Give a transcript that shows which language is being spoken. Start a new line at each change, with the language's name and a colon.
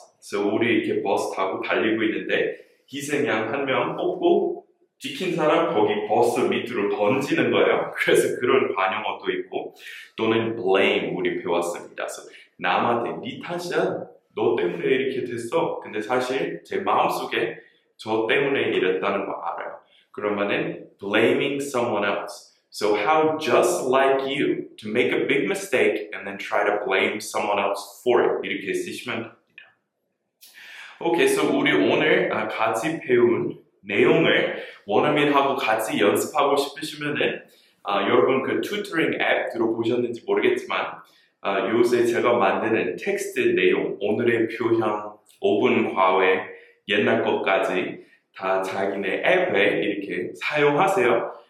Korean: So 우리 이렇게 버스 타고 달리고 있는데 희생양 한 명 뽑고 지킨 사람 거기 버스 밑으로 던지는 거예요. 그래서 그런 관용어도 있고 또는 blame 우리 배웠습니다. So 남한테 네 탓이야. 너 때문에 이렇게 됐어. 근데 사실 제 마음속에 저 때문에 이랬다는 거 알아요. 그러면은
English: blaming someone else. So how just like you to make a big mistake and then try to blame someone else for it.
Korean: 이렇게 쓰시면 됩니다. 오케이, so 우리 오늘 같이 배운 내용을 원어민하고 같이 연습하고 싶으시면은 여러분 그 튜터링 앱 들어보셨는지 모르겠지만 요새 제가 만드는 텍스트 내용, 오늘의 표현, 5분 과외, 옛날 것까지 다 자기네 앱에 이렇게 사용하세요.